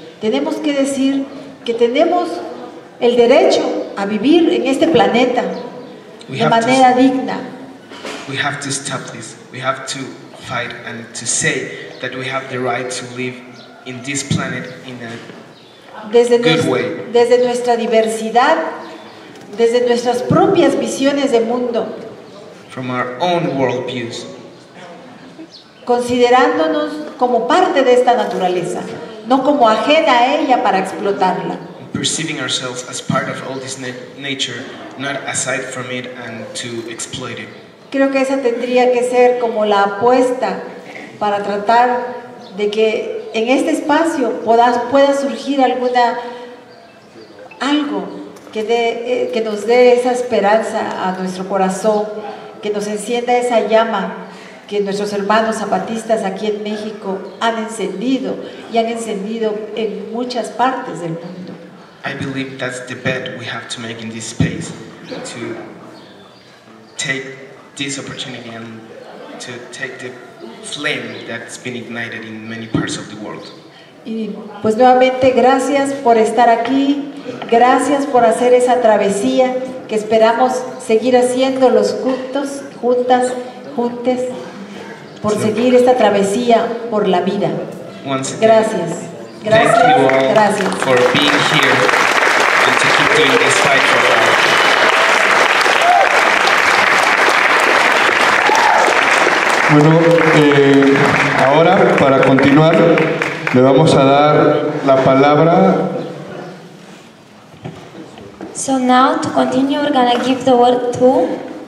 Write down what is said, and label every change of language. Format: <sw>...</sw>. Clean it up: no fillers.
<es>Tenemos que decir que tenemos el derecho a vivir en este planeta de manera digna.</es> <en>We have to stop this. We have to fight and to say that we have the right to live in this planet in a good way.</en> <es>Desde nuestra diversidad, desde nuestras propias visiones de mundo.</es> <en>From our own world views.</en> <es>Considerándonos como parte de esta naturaleza, no como ajena a ella para explotarla.</es> <en>Perceiving ourselves as part of all this nature, not aside from it and to exploit it.</en> <es>Creo que esa tendría que ser como la apuesta para tratar de que en este espacio pueda surgir algo que nos dé esa esperanza a nuestro corazón, que nos encienda esa llama que nuestros hermanos zapatistas aquí en México han encendido y han encendido en muchas partes del mundo.</es> <en>I believe that's the bet we have to make in this space to take this opportunity and to take the flame that's been ignited in many parts of the world.</en> <es>Y pues nuevamente gracias por estar aquí, gracias por hacer esa travesía que esperamos seguir haciendo los juntos, juntas, juntes, por seguir esta travesía por la vida. Gracias. Gracias.</es> <en>For being here and to keep doing this fight for life.</en> <es>Bueno, ahora para continuar le vamos a dar la palabra.</es> <en>So now to continue we're gonna give the word to</en>